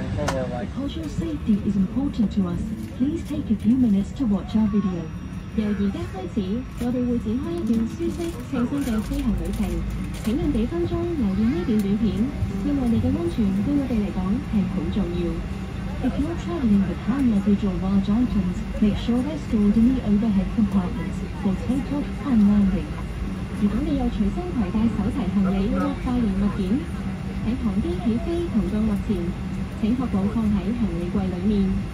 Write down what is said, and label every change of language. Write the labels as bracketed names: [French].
[English] Because your safety is important to us, please take a few minutes to watch our video. [Cantonese] 由現在開始，我哋會展開一段舒適輕鬆嘅飛行旅程。請兩幾分鐘留意呢段短片，因為你嘅安全對我哋嚟講係好重要。 [English] If you're traveling with hand-luggage or large items, make sure they're stored in the overhead compartments for takeoff and landing. [Cantonese] 如果你有隨身攜帶手提行李或大型物件，喺航機起飛同降落前，請確保放喺行李櫃裡面。